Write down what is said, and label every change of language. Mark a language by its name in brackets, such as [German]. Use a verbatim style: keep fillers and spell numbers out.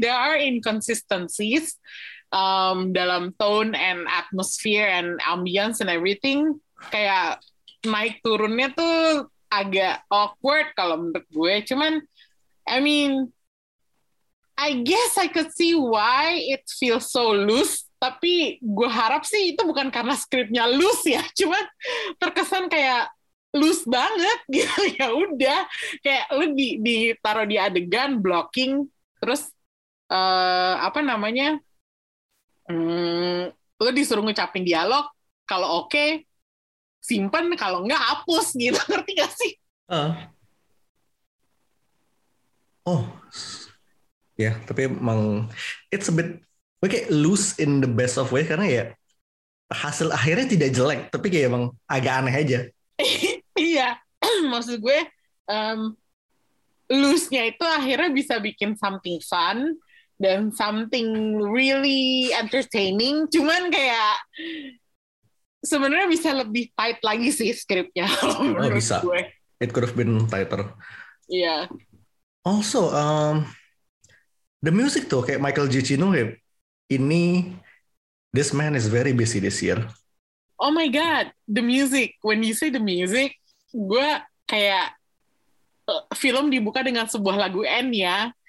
[English] There are inconsistencies um, dalam tone and atmosphere and ambience and everything. [Indonesian] Kayak naik turunnya tuh agak awkward kalau menurut gue. [English] Cuman, I mean, I guess I could see why it feels so loose. [Indonesian] Tapi gue harap sih itu bukan karena skripnya loose ya. Cuman terkesan kayak loose banget gitu, ya udah kayak lu di ditaruh di adegan blocking terus uh, apa namanya hmm, lu disuruh ngucapin dialog, kalau oke okay, simpen, kalau enggak hapus gitu, ngerti gak sih? Uh. Oh ya, yeah, tapi emang [English] it's a bit [Indonesian] kayak loose in the best of way karena ya hasil akhirnya tidak jelek tapi kayak emang agak aneh aja. Iya, maksud gue um, loose-nya itu akhirnya bisa bikin [English] something fun [Indonesian] dan [English] something really entertaining. [Indonesian] Cuman kayak sebenarnya bisa lebih tight lagi sih skripnya. Oh, bisa. Gue. [English] It could have been tighter. Iya. Yeah. Also, um, the music [Indonesian] tuh kayak [English] Michael Giacchino kayak ini, this man is very busy this year. Oh my God, the music. When you say the music, [Indonesian] gue kayak uh, film dibuka dengan sebuah lagu N ya.